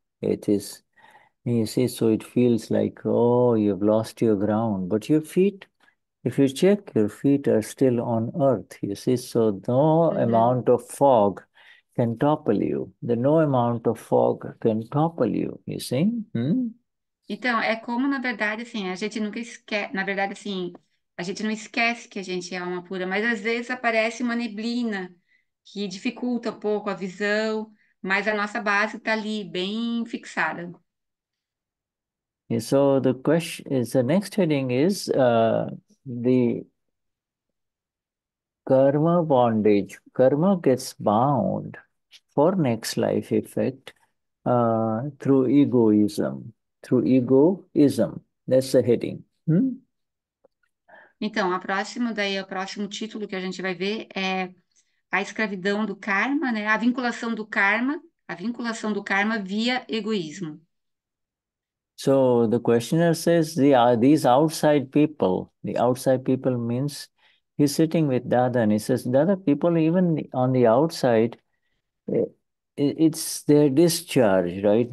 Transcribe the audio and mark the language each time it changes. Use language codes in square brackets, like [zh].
[en] It is, you see, so it feels like, oh, you've lost your ground. But your feet, if you check, your feet are still on earth, you see, so no amount of fog can topple you. The no amount of fog can topple you, you see? [pt] Então, é como, na verdade, assim, a gente nunca esquece, na verdade, assim, a gente não esquece que a gente é alma pura, mas às vezes aparece uma neblina que dificulta um pouco a visão, mas a nossa base está ali bem fixada. [en] So the question is, the next heading is the karma bondage. Karma gets bound for next life effect through egoism. Through egoism. That's the heading. [pt] Então, o próximo título que a gente vai ver é a escravidão do karma, né? A vinculação do karma via egoísmo. [en] So the questioner says, these outside people, the outside people means he's sitting with Dada and he says, Dada people, even on the outside, it's their discharge, right?